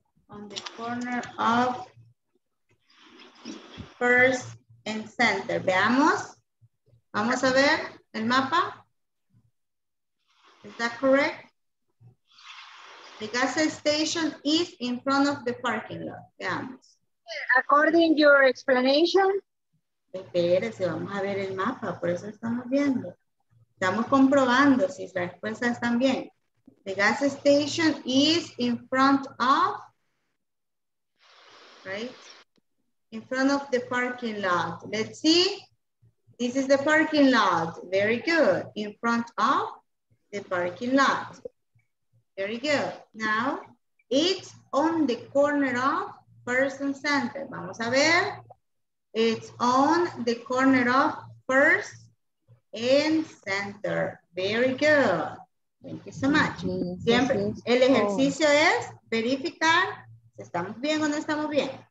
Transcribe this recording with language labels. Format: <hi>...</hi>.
<en>On the corner of First and Center.</en> <es>Veamos. Vamos a ver el mapa.</es> <en>Is that correct? The gas station is in front of the parking lot.</en> <es>Veamos.</es> <en>According to your explanation.</en> <es>Espérese, vamos a ver el mapa, por eso estamos viendo. Estamos comprobando si las respuestas están bien.</es> <en>The gas station is in front of, right? In front of the parking lot. Let's see. This is the parking lot. Very good. In front of the parking lot. Very good. Now, it's on the corner of First and Center.</en> <es>Vamos a ver.</es> <en>It's on the corner of First and Center. Very good. Thank you so much.</en> <es>Siempre, el ejercicio es verificar si estamos bien o no estamos bien.</es>